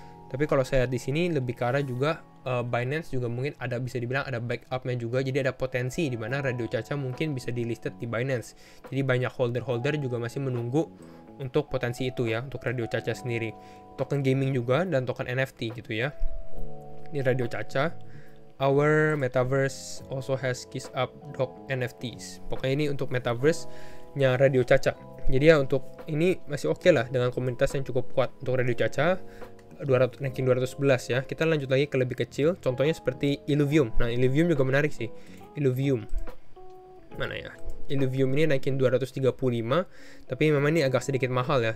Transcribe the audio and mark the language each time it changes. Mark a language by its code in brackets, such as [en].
[id] Tapi kalau saya lihat di sini lebih ke arah juga Binance juga mungkin ada, bisa dibilang ada backupnya juga. Jadi ada potensi di mana Radio Caca mungkin bisa di-listed di Binance. Jadi banyak holder-holder juga masih menunggu untuk potensi itu ya, untuk Radio Caca sendiri. Token gaming juga dan token NFT gitu ya. Ini Radio Caca. [en] Our Metaverse also has KissUp Dog NFTs. [id] Pokoknya ini untuk Metaverse-nya Radio Caca. Jadi ya untuk ini masih oke lah dengan komunitas yang cukup kuat untuk Radio Caca. Ranking 211 ya. Kita lanjut lagi ke lebih kecil. Contohnya seperti Illuvium. Nah, Illuvium juga menarik sih. Illuvium. Mana ya? Illuvium ini ranking 235. Tapi memang ini agak sedikit mahal ya.